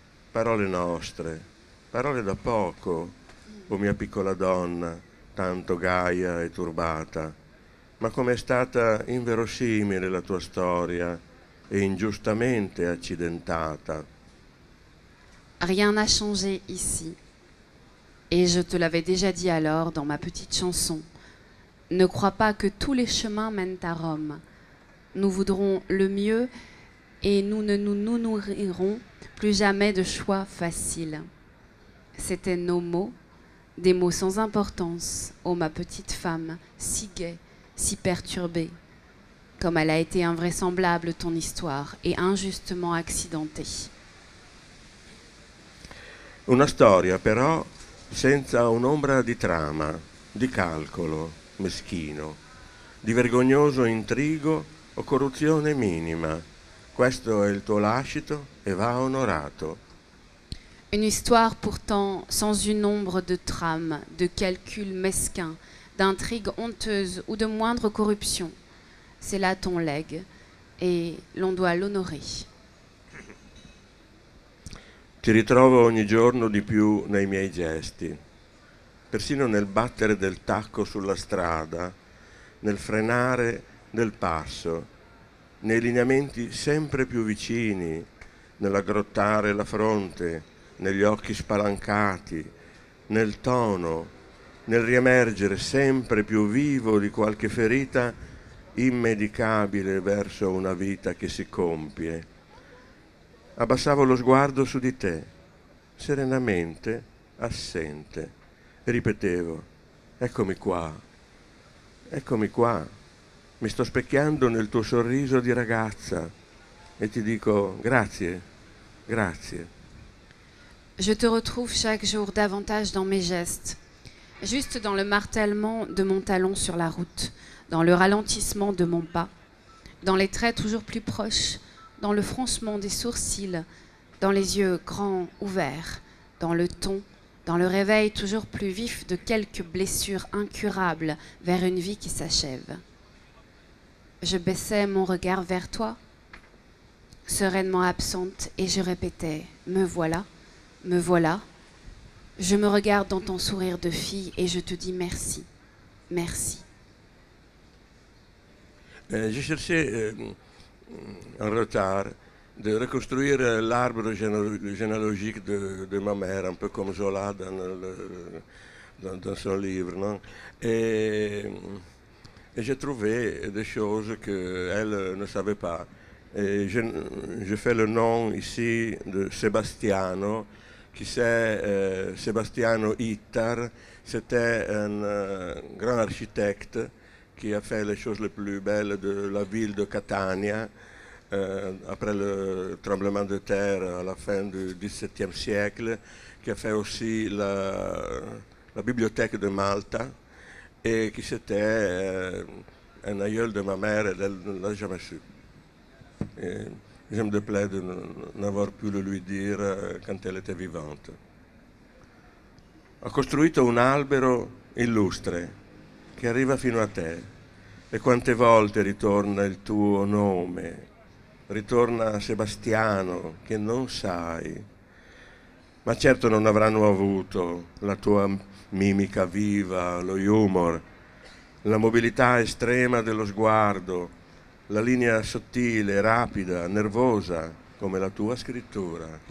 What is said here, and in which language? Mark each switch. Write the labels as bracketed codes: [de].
[it] Parole nostre, parole da poco, o mia piccola donna, tanto gaia e turbata. Ma com'è stata inverosimile la tua storia e ingiustamente accidentata. [fr] Rien n'a changé ici. Et je te l'avais déjà dit alors dans ma petite chanson. Ne crois pas que tous les chemins mènent à Rome. Nous voudrons le mieux et nous ne nous nourrirons plus jamais de choix faciles. C'étaient nos mots, des mots sans importance, ô ma petite femme, si gaie, si perturbée, comme elle a été invraisemblable ton histoire et injustement accidentée. [it] Una storia, però, senza un'ombra di trama, di calcolo. Meschino, di vergognoso intrigo o corruzione minima. Questo è il tuo lascito e va onorato. [fr] Une histoire pourtant sans une ombre de trame, de calcul mesquin, d'intrigue honteuse ou de moindre corruption. C'est là ton legs et l'on doit l'honorer. [it] Ti ritrovo ogni giorno di più nei miei gesti. Persino nel battere del tacco sulla strada, nel frenare del passo, nei lineamenti sempre più vicini, nell'aggrottare la fronte, negli occhi spalancati, nel tono, nel riemergere sempre più vivo di qualche ferita immedicabile verso una vita che si compie. Abbassavo lo sguardo su di te, serenamente assente. Ripetevo, eccomi qua, mi sto specchiando nel tuo sorriso di ragazza e ti dico grazie, grazie. [fr] Je te retrouve chaque jour davantage dans mes gestes, juste dans le martèlement de mon talon sur la route, dans le ralentissement de mon pas, dans les traits toujours plus proches, dans le froncement des sourcils, dans les yeux grands ouverts, dans le ton. Dans le réveil toujours plus vif de quelques blessures incurables vers une vie qui s'achève. Je baissais mon regard vers toi, sereinement absente, et je répétais, me voilà, me voilà. Je me regarde dans ton sourire de fille et je te dis merci, merci. Je cherchais en retard. [it] De ricostruire l'arbre genealogico di mia madre, un po' come Zola nel suo libro, no? [fr] E j'ai trouvé des choses che elle ne savait pas. Et je fais le nom ici de Sebastiano, qui c'est Sebastiano Ittar, c'était un grand architecte qui a fait les choses les plus belles de la ville de Catania. Après le tremblement de terre à la fin du XVIIe siècle, qui a fait aussi la bibliothèque de Malta, et qui c'était un aïeul de ma mère, elle ne l'a jamais su. Je me déplais de n'avoir pu le lui dire quand elle était vivante. [it] Ho costruito un albero illustre che arriva fino a te, E quante volte ritorna il tuo nome, ritorna Sebastiano, che non sai, ma certo non avranno avuto la tua mimica viva, lo humor, la mobilità estrema dello sguardo, la linea sottile, rapida, nervosa, come la tua scrittura.